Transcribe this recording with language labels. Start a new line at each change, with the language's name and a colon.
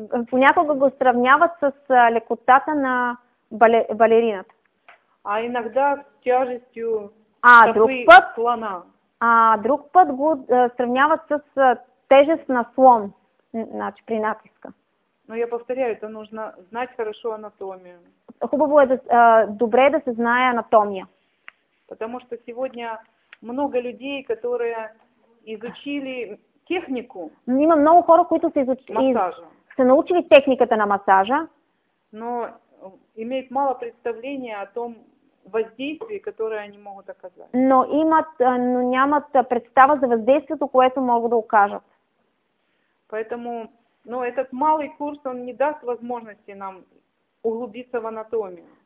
Bulgarian: Понякога го сравняват с лекотата на балерината.
Russian: А иногда с тяжестью слона.
Bulgarian: А друг път го сравняват с тежест на слон, значи при натиска.
Russian: Но я повторяю, это нужно знать хорошо анатомию.
Bulgarian: Хубаво е да, добре е да се знае анатомия.
Russian: Потому что сегодня много людей, которые изучили технику.
Bulgarian: Има много хора, които са са научили техниката на масажа,
Russian: но имеют мало представления о том
Bulgarian: въздействие,
Russian: которое они могут оказать.
Bulgarian: Но нямат представа за въздействието, което могат да окажат.
Russian: Поэтому этот малый курс, он не даст возможности нам углубиться в анатомию.